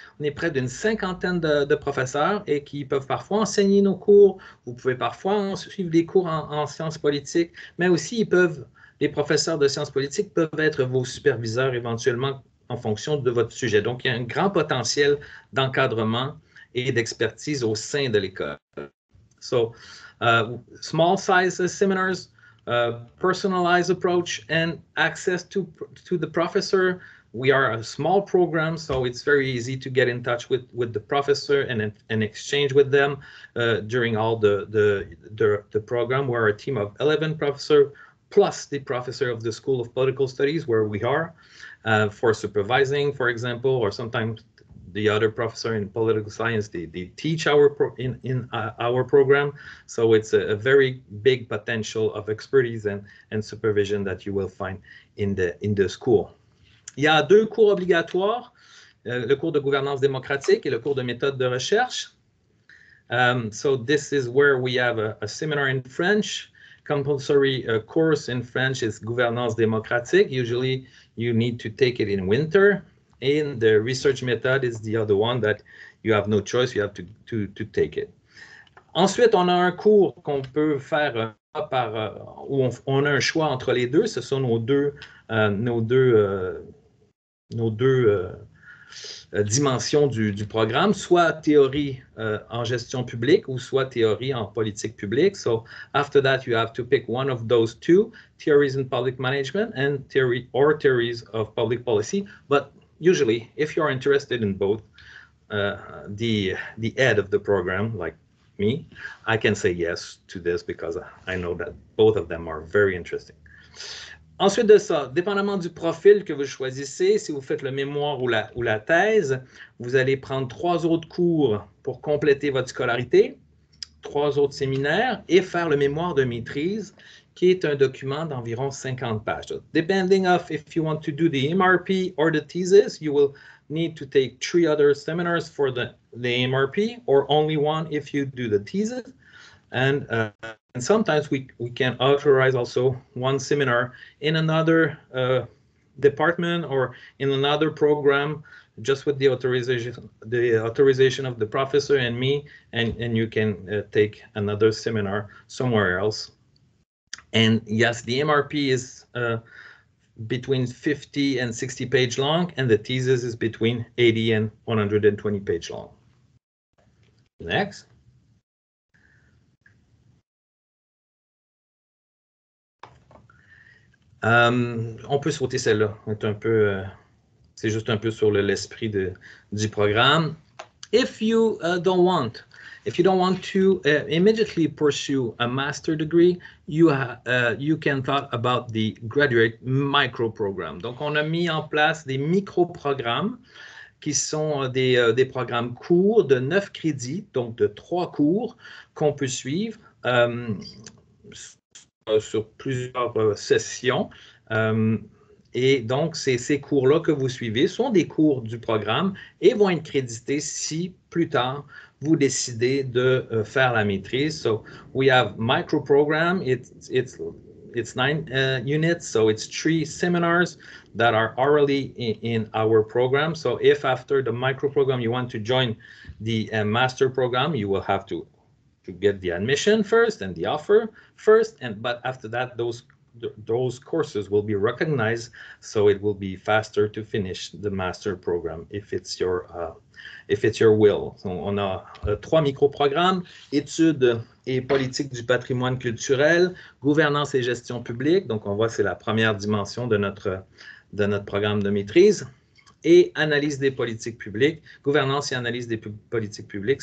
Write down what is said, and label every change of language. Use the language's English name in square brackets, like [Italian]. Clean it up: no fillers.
[French] On est près d'une cinquantaine de professeurs et qui peuvent parfois enseigner nos cours. Vous pouvez parfois suivre des cours en sciences politiques, mais aussi ils peuvent, les professeurs de sciences politiques peuvent être vos superviseurs éventuellement en fonction de votre sujet. Donc, il y a un grand potentiel d'encadrement et d'expertise au sein de l'école. [English] So, small size seminars, personalized approach and access to the professor. We are a small program, so it's very easy to get in touch with the professor and exchange with them during all the program. We're a team of 11 professors plus the professor of the School of Political Studies, where we are. For supervising, for example, or sometimes the other professor in political science, they teach our our program. So it's a very big potential of expertise and supervision that you will find in the school. [French] Il y a deux cours obligatoires, le cours de gouvernance démocratique et le cours de méthode de recherche. [English] So this is where we have a seminar in French. Compulsory course in French is gouvernance démocratique. Usually you need to take it in winter. And the research method is the other one that you have no choice, you have to take it. [French] Ensuite, on a un cours qu'on peut faire où on a un choix entre les deux. Ce sont nos deux dimensions du programme, soit théorie en gestion publique ou soit théorie en politique publique. [English] So after that, you have to pick one of those two, theories in public management and theories of public policy. But usually, if you are interested in both, the head of the program, like me, I can say yes to this because I know that both of them are very interesting. [French] Ensuite de ça, dépendamment du profil que vous choisissez, si vous faites le mémoire ou la thèse, vous allez prendre trois autres cours pour compléter votre scolarité, trois autres séminaires et faire le mémoire de maîtrise, qui est un document d'environ 50 pages. [English] So, depending of if you want to do the MRP or the thesis, you will need to take three other seminars for the MRP or only one if you do the thesis. And sometimes we can authorize also one seminar in another department or in another program, just with the authorization of the professor and me, and you can take another seminar somewhere else. And yes, the MRP is between 50 and 60 page long, and the thesis is between 80 and 120 page long. Next. [French] On peut sauter celle-là, c'est juste un peu sur l'esprit du programme. [English] If you don't want to immediately pursue a master degree, you can talk about the graduate micro program. [French] Donc, on a mis en place des micro-programmes qui sont des programmes courts de 9 crédits, donc de 3 cours qu'on peut suivre sur plusieurs sessions. Et donc, c'est ces cours-là que vous suivez sont des cours du programme et vont être crédités si plus tard vous décidez de faire la maîtrise. [English] So, we have micro program. It's 9 units. So, it's 3 seminars that are already in our program. So, if after the micro program you want to join the master program, you will have to get the admission first and the offer first. But after that, those courses will be recognized, so it will be faster to finish the master program if it's your will. [French] So on a trois micro-programmes: études et politique du patrimoine culturel, gouvernance et gestion publique. Donc on voit c'est la première dimension de notre programme de maîtrise, et analyse des politiques publiques, gouvernance et analyse des politiques publiques.